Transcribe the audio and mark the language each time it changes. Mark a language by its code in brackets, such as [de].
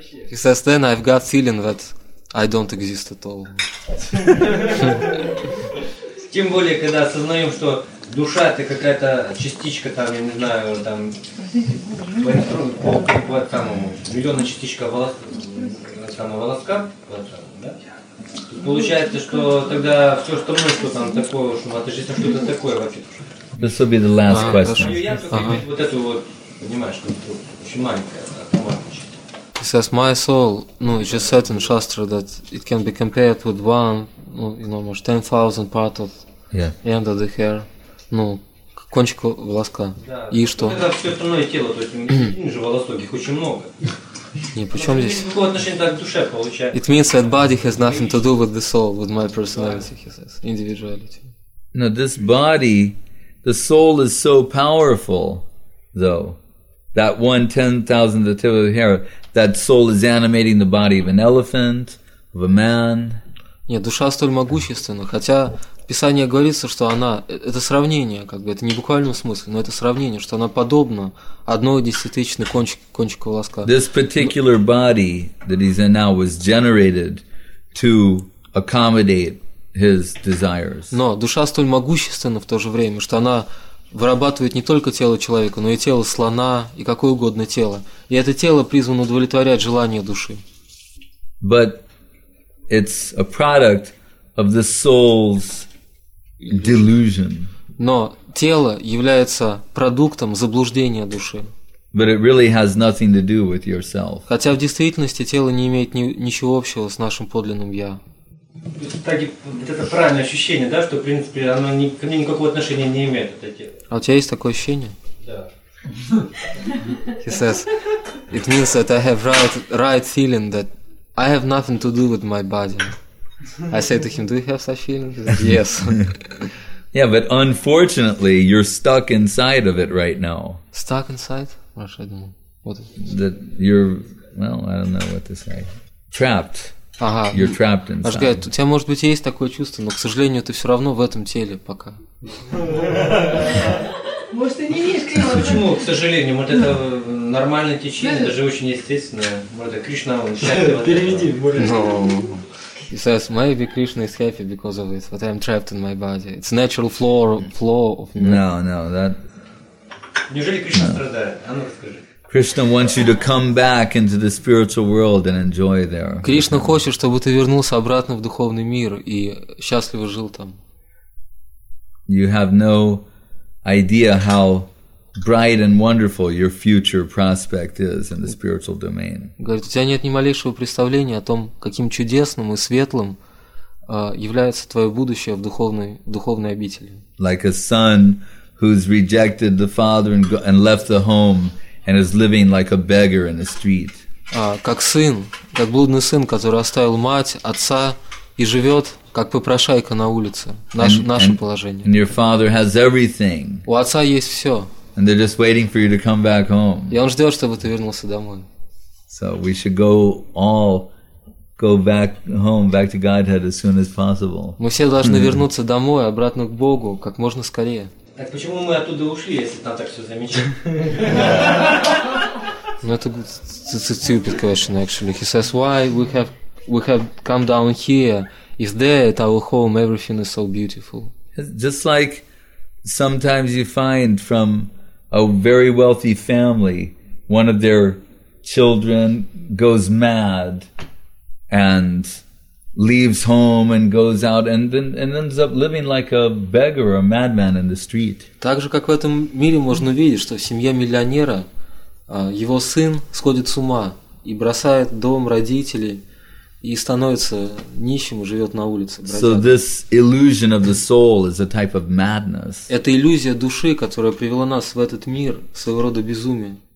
[en] He says, then I've got feeling that I don't exist at all. [ru] Тем более, когда осознаем, что душа это какая-то частичка, там, я не знаю, там, миллионная частичка волоска, да? Получается, что тогда все остальное, что там такое, это же что-то такое вообще. [en] This will be the last question. He says, my soul, no, it's just said in Shastra that it can be compared with one, you know, 10,000 part of end of the hair. [ru] Ну, кончик волоска. И что? Это все остальное тело, то есть не же волосок, их очень много. Не, причем здесь? Никакого отношения к душе получается. [en] It means that body has nothing to do with the soul, with my personality, he says, individuality. Now this body, the soul is so powerful, though, that 1/10,000th of the tip of the hair, that soul is animating the body of an elephant, of a man. [ru] Нет, душа столь могущественна, хотя Писание говорится, что она, это сравнение, как бы, это не в буквальном смысле, но это сравнение, что она подобна одной десятитысячной кончику волоска. [en] This particular body that he's in now was generated to accommodate his desires. [ru] Но душа столь могущественна в то же время, что она вырабатывает не только тело человека, но и тело слона, и какое угодно тело. И это тело призвано удовлетворять желания души. [en] But it's a product of the soul's delusion. [ru] Но тело является продуктом заблуждения души. [en] But it really has nothing to do with yourself. [ru] Хотя в действительности тело не имеет ничего общего с нашим подлинным я. Так, вот это правильное ощущение, да, что в принципе оно ни, ко мне никакого отношения не имеет, это тело. А у тебя есть такое ощущение? Да. [en] He says, it means that I have right feeling that I have nothing to do with my body. I say to him, do you have such feeling? Yes. Yeah, but unfortunately, you're stuck inside of it right now. Stuck inside? What should I do? What is it? That you're, well, I don't know what to say. Trapped. [ru] Ага. You're trapped inside. Аж говорит, у тебя, может быть, есть такое чувство, но, к сожалению, ты все равно в этом теле пока. Может, ты не видишь, Крима? Почему, к сожалению? Может, это нормальное течение, даже очень естественное. Может, это Кришна, он счастлив. Переведи, может. [en] He says, maybe Krishna is happy because of it, but I'm trapped in my body. It's natural flow of me. No, that... [ru] Неужели Кришна страдает? [en] А Krishna wants you to come back into the spiritual world and enjoy there. [ru] Кришна хочет, чтобы ты вернулся обратно в духовный мир и счастливо жил там. [en] You have no idea how bright and wonderful your future prospect is in the spiritual domain. [ru] Говорит, у тебя нет ни малейшего представления о том, каким чудесным и светлым является твое будущее в духовной обители. [en] Like a son who's rejected the father and left the home and is living like a beggar in the street. [ru] Как сын, как блудный сын, который оставил мать, отца и живет как попрошайка на улице. Наше положение. [en] And your father has everything. [ru] У отца есть все. [en] And they're just waiting for you to come back home. [ru] И он ждет, чтобы ты вернулся домой. [en] So we should go back home, back to Godhead as soon as possible. [ru] Мы все должны вернуться домой, обратно к Богу, как можно скорее. Так почему мы оттуда ушли, если там так все замечательно? Ну это [en] stupid question actually. He says, why we have come down here? If there at our home everything is so beautiful. Just like sometimes you find from a very wealthy family, one of their children goes mad and leaves home and goes out and ends up living like a beggar or a madman in the street. [ru] Так же, как в этом мире можно видеть, что семья миллионера, его сын сходит с ума и бросает дом, родителей и становится нищим и живет на улице. Бродяга. [en] So this illusion of the soul is a type of madness. [ru] Это иллюзия души, которая привела нас в этот мир, своего рода безумие.